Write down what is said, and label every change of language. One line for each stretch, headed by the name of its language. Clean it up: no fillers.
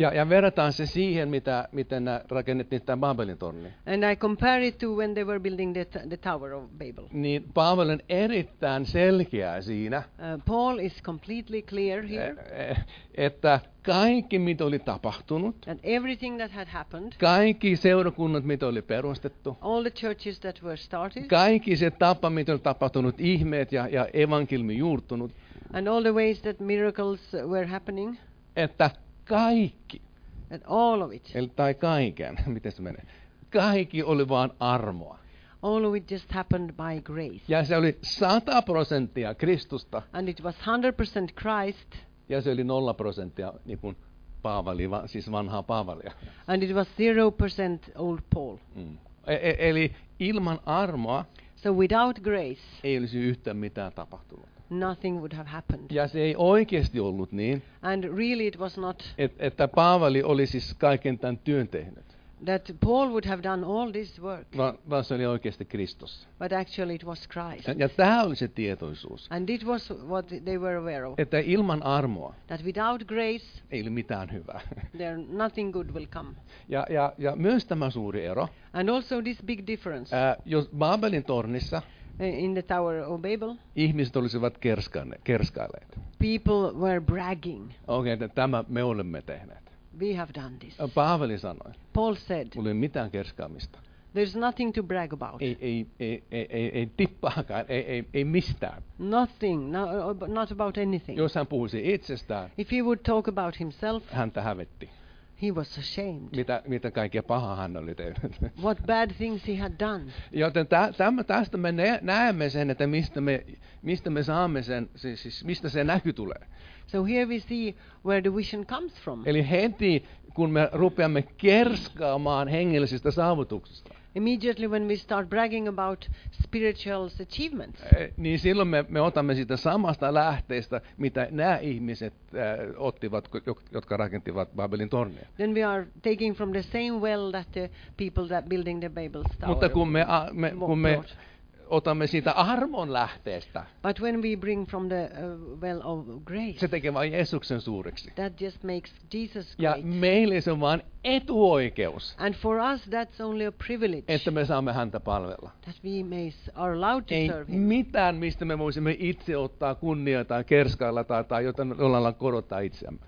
Finnish: Ja verrataan se siihen, miten rakennettiin tämä Babelin torni.
English: And I compare it to when they were building the Tower of Babel.
Finnish: Niin Paavali on erittäin selkeä siinä.
English: Paul is completely clear here.
Finnish: Että kaikki mitä oli tapahtunut.
English: And everything that had happened.
Finnish: Kaikki seurakunnat mitä oli perustettu.
English: All the churches that were started.
Finnish: Kaikki se tapa mitä oli tapahtunut, ihmeet ja evankeliumi juurtunut.
English: And all the ways that miracles were happening.
Finnish: Että kaikki.
English: And all of it.
Finnish: Tai kaiken. Miten se menee? Kaikki oli vaan armoa.
English: All of it just happened by grace.
Finnish: Ja se oli 100% Kristusta.
English: And it was 100% Christ.
Finnish: Ja se oli 0% niin kuin Paavali, siis vanhaa Paavalia.
English: And it was 0% old Paul.
Finnish: Eli ilman armoa.
English: So without grace.
Finnish: Ei olisi yhtään mitään tapahtunut.
English: Nothing would have happened.
Finnish: Ja se ei oikeasti ollut niin.
English: And really it was not.
Finnish: Että Paavali oli siis kaiken tämän työn tehnyt.
English: That Paul would have done all this work.
Finnish: Vaan se oli oikeasti Kristus.
English: But actually it was Christ.
Finnish: Ja tämä oli se tietoisuus.
English: And it was what they were aware of.
Finnish: Että ilman armoa.
English: That without grace.
Finnish: Ei ole mitään hyvää.
English: There nothing good will come.
Finnish: Ja myös tämä suuri ero.
English: And also this big difference.
Finnish: Jos Babelin tornissa.
English: In the Tower of Babel.
Finnish: Ihmiset olisivat kerskailleet.
English: People were bragging.
Finnish: Okei, tämä me olemme tehneet.
English: We have done this.
Finnish: Paavali sanoi.
English: Paul said.
Finnish: Mulla ei mitään kerskaamista.
English: There's nothing to brag about.
Finnish: Ei tippaakaan, ei mistään.
English: Nothing, not about anything.
Finnish: Jos hän puhuisi itsestään.
English: If he would talk about himself.
Finnish: Häntä hävetti.
English: He was ashamed.
Finnish: Mitä kaikkea pahaa hän oli tehnyt.
English: What bad things he had done.
Finnish: Joten tästä me näemme sen, että mistä me saamme sen, siis mistä se näky tulee.
English: So here we see where the vision comes from.
Finnish: Eli heti, kun me rupeamme kerskaamaan hengellisistä saavutuksista.
English: Immediately when we start bragging about spiritual achievements.
Finnish: Niin silloin me otamme siitä samasta lähteestä, mitä nämä ihmiset ottivat, jotka rakentivat Babelin tornia.
English: Then we are taking from the same well that the people that building the Babel tower.
Finnish: Mutta kun me otamme siitä armon lähteestä.
English: But when we bring from the well of grace.
Finnish: Se tekee vain Jeesuksen suureksi.
English: That just makes Jesus great.
Finnish: Ja meille se on vain etuoikeus.
English: And for us that's only a privilege.
Finnish: Että me saamme häntä palvella.
English: That we may are allowed to serve him.
Finnish: Ei mitään mistä me voisimme itse ottaa kunnia tai kerskailla tai jotain jollain korottaa itseämme.